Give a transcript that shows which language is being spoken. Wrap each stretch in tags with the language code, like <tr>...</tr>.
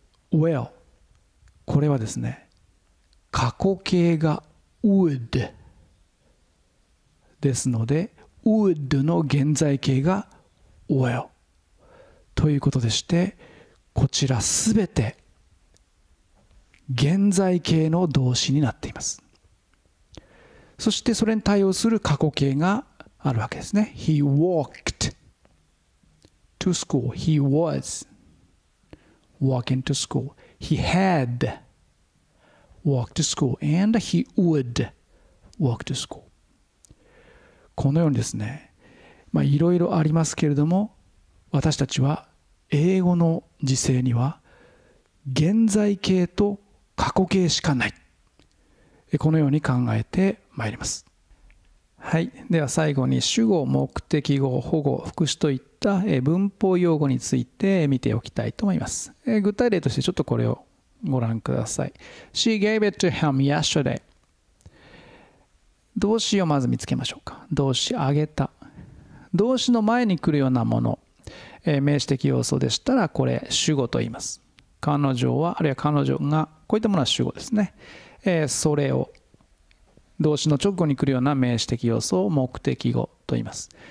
<ja>Well、 これはですね、過去形が would ですので、 would の現在形が well ということでして、こちらすべて現在形の動詞になっています。そしてそれに対応する過去形があるわけですね。</ja> <en>He walked to school. He was walking to school. He had walked to school. And he would walk to school.</en> <ja>このようにですね、いろいろありますけれども、私たちは英語の時制には現在形と過去形しかない、このように考えてまいります。はい、では最後に主語、目的語、保護、副詞といった文法用語について見ておきたいと思います。具体例としてちょっとこれをご覧ください。</ja> <en>She gave it to him yesterday。</en> <ja>動詞をまず見つけましょうか。動詞、あげた。動詞の前に来るようなもの、名詞的要素でしたらこれ主語と言います。彼女は、あるいは彼女が、こういったものは主語ですね。それを、動詞の直後に来るような名詞的要素を目的語と言います。</ja>